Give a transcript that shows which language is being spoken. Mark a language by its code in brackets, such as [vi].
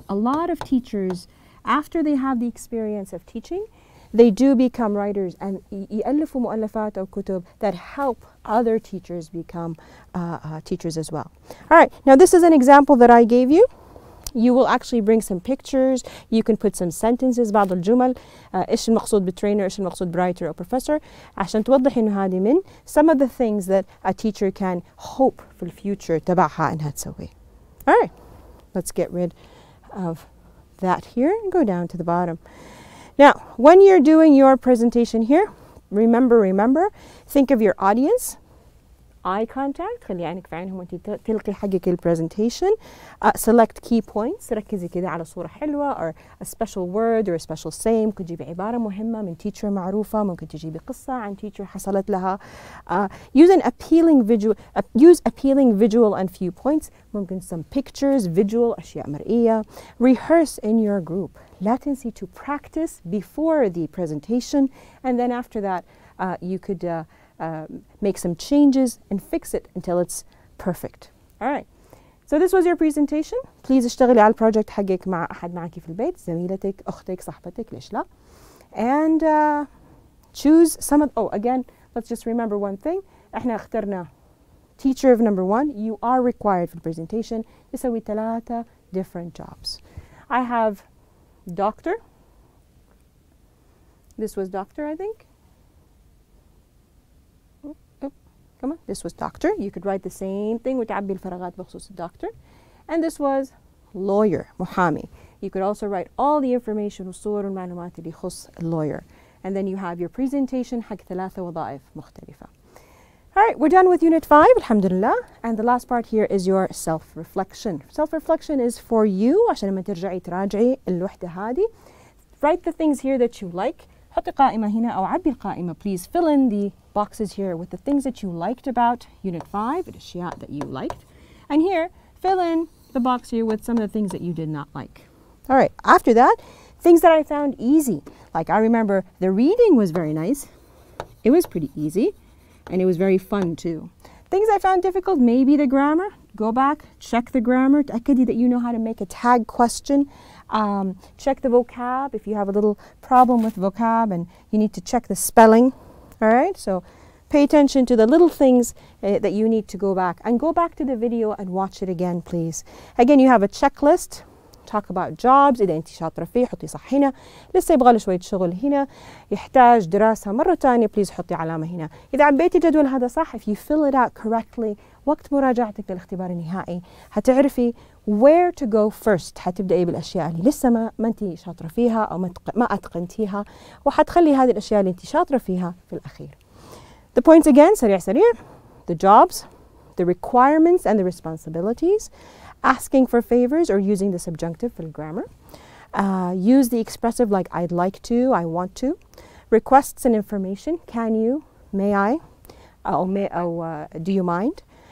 [en] A lot of teachers, after they have the experience of teaching, they do become writers and [ar] يألفوا مؤلفات أو كتب [en] that help other teachers become teachers as well. All right, now this is an example that I gave you. You will actually bring some pictures. You can put some sentences, [ar] بعض الجمل. إيش المقصود بترينر؟ إيش المقصود برايتر أو بروفيسور؟ عشان توضح إنه هذه من [en] some of the things that a teacher can hope for the future [ar] تبعها إنها تسوي. [en] All right, let's get rid of that here and go down to the bottom. Now, when you're doing your presentation here, remember, think of your audience. Eye contact, خلي عينك في عينهم وانتي تلقي حقك البرزنتيشن. Select key points, [ar] ركزي كده على صورة حلوة [en] or a special word or a special saying. [ar] ممكن تجيبي عبارة مهمة من teacher معروفة, ممكن تجيبي قصة عن teacher حصلت لها. [en] Use appealing visual and few points. [ar] ممكن [en] some pictures, visual, [ar] أشياء مرئية. [en] Rehearse in your group. [ar] لا تنسي [en] to practice before the presentation and then after that you could make some changes and fix it until it's perfect. All right. So this was your presentation. [ar] Please اشتغلي على البروجكت حقك مع احد معك في البيت, زميلتك, اختك, صاحبتك, ليش لا. [en] And choose some of, oh, again, let's just remember one thing. [ar] احنا اخترنا [en] teacher of number one. You are required for the presentation. [ar] تسوي ثلاثة [en] different jobs. I have doctor. This was doctor, I think. Come on, this was doctor. You could write the same thing with [ar] وتعبي الفراغات بخصوص [en] doctor. And this was lawyer, [ar] محامي. [en] You could also write all the information [ar] والصور والمعلومات اللي يخص [en] lawyer. And then you have your presentation [ar] حق ثلاثة وظائف مختلفة. [en] All right, we're done with Unit 5, alhamdulillah. And the last part here is your self-reflection. Self-reflection is for you, [ar] عشان ما ترجعي تراجعي الوحدة هذه. [en] Write the things here that you like. [ar] حطي قائمة هنا أو عبي القائمة. [en] Please fill in the boxes here with the things that you liked about Unit 5, the الأشياء that you liked. And here, fill in the box here with some of the things that you did not like. All right, after that, things that I found easy. Like I remember the reading was very nice. It was pretty easy. And it was very fun too. Things I found difficult, maybe the grammar. Go back, check the grammar. [ar] تأكدي [en] that you know how to make a tag question. Check the vocab if you have a little problem with vocab and you need to check the spelling. All right, so pay attention to the little things that you need to go back. And go back to the video and watch it again, please. Again, you have a checklist. Talk about jobs. [ar] إذا أنت شاطرة فيه, حطي صح هنا. لسه يبغى له شوية شغل هنا. يحتاج دراسة مرة تانية, please حطي علامة هنا. إذا عبيتي جدول هذا صح, [en] if you fill it out correctly, [ar] وقت مراجعتك للاختبار النهائي, هتعرفي [en] where to go first. [ar] هتبدأي بالأشياء اللي لسه ما أنت شاطرة فيها أو ما أتقنتيها, وحتخلي هذه الأشياء اللي أنت شاطرة فيها في الأخير. [en] The points again, [ar] سريع. [en] The jobs, the requirements and the responsibilities, asking for favors or using the subjunctive for grammar. Use the expressive like I'd like to, I want to. Requests and information, can you, may I, do you mind.